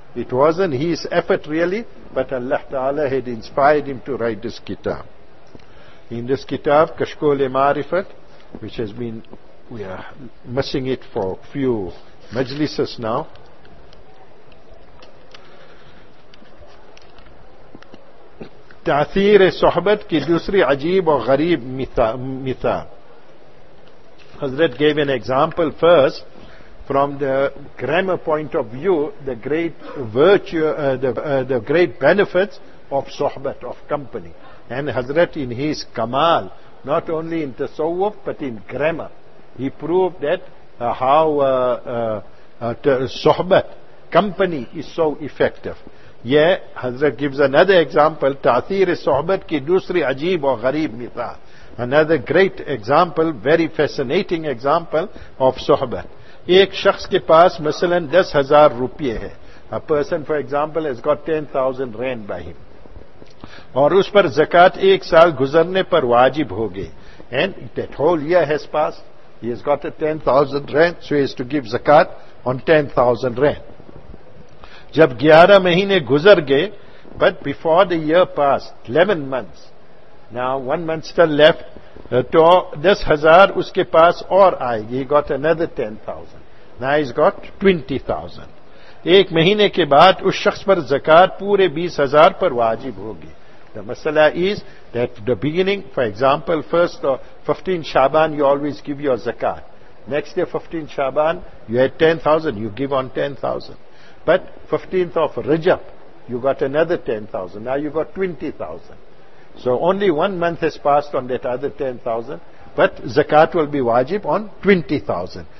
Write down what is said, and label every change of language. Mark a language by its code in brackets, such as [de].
[en] It wasn't his effort really, but Allah Ta'ala had inspired him to write this kitab. In this kitab, Kashkol-e-Marifat, which has been, we are missing it for a few majlises now. [ur] تاثیر صحبت کی دوسری عجیب اور غریب مثال. [en] Hazrat gave an example first from the grammar point of view, the great virtue, the great benefits of صحبت, of company. And Hazrat in his kamal, not only in tasawwuf but in grammar, he proved that how صحبت, company, is so effective. [ur] یہ حضرت [en] gives another example, [ur] تاثیر صحبت کی دوسری عجیب اور غریب مثال. [en] Another great example, very fascinating example of صحبت. [ur] ایک شخص کے پاس مثلا 10,000 rupees ہے. [en] A person, for example, has got 10,000 rand by him. [ur] اور اس پر زکات ایک سال گزرنے پر واجب ہو گئی. [en] And that whole year has passed. He has got a 10,000 rand, so he has to give zakat on 10,000 rand. [ur] جب 11 مہینے گزر گئے, [en] but before the year passed, 11 months. Now, 1 month still left, [ur] تو 10,000 اس کے پاس اور آئے گی. [en] He got another 10,000. Now he's got 20,000. [ur] ایک مہینے کے بعد اس شخص پر زکات پورے 20,000 پر واجب ہوگی. [en] The masala is that the beginning, for example, first 15 Shaban, you always give your zakat. Next day 15 Shaban, you had 10,000, you give on 10,000. But 15th of Rajab, you got another 10,000. Now you got 20,000. So only 1 month has passed on that other 10,000, but zakat will be wajib on 20,000.